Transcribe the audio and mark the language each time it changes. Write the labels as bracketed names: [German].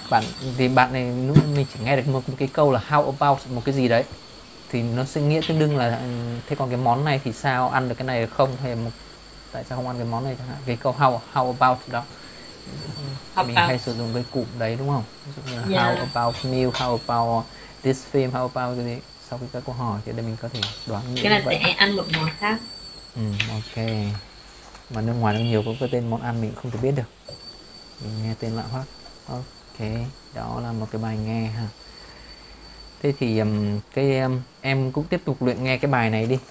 [Vietnamese] Bạn thì bạn này lúc mình chỉ nghe được một cái câu là how about một cái gì đấy, thì nó sẽ nghĩa tương đương là thế còn cái món này thì sao, ăn được cái này không, hay là một, tại sao không ăn cái món này chẳng hạn, cái câu how about đó. Mình hay sử dụng cái cụm đấy đúng không? [English] How about meal, how about this film, how about [Vietnamese] cái gì? Sau khi các câu hỏi thì để mình có thể đoán cái là sẽ ăn một món khác. Ừ, ok. Mà nước ngoài nó nhiều có cái tên món ăn mình không thể biết được. Mình nghe tên lạ hoắc. Ok, đó là một cái bài nghe ha. Thế thì em cũng tiếp tục luyện nghe cái bài này đi.